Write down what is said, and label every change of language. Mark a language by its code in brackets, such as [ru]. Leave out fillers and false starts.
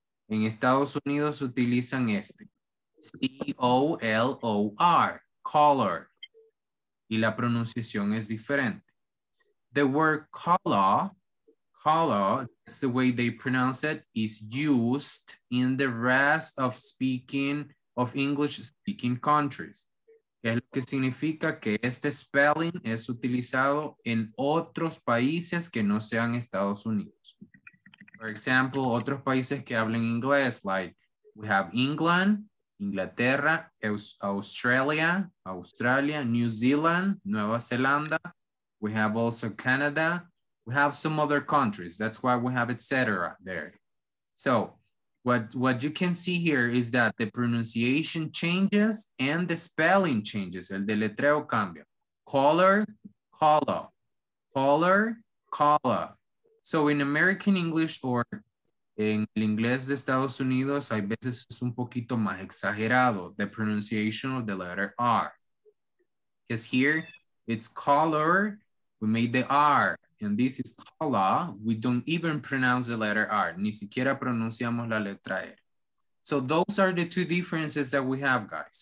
[es] En Estados Unidos utilizan este. C-O-L-O-R, color. Y la pronunciación es diferente. [en] The word color, that's the way they pronounce it, is used in the rest of English-speaking countries. [es] Es lo que significa que este spelling es utilizado en otros países que no sean Estados Unidos. [en] For example, [es] otros países que hablen inglés, [en] like we have England, Inglaterra, Australia, New Zealand, Nueva Zelanda. We have also Canada. We have some other countries. That's why we have etc. there. So what you can see here is that the pronunciation changes and the spelling changes. [es] El deletreo cambia. Color, color. Color, color. [en] So in American English or [es] en el inglés de Estados Unidos, hay veces es un poquito más exagerado. [en] The pronunciation of the letter R. Because here it's color, we made the R. And this is cola. We don't even pronounce the letter R. [es] Ni siquiera pronunciamos la letra R. [en] So those are the two differences that we have, guys.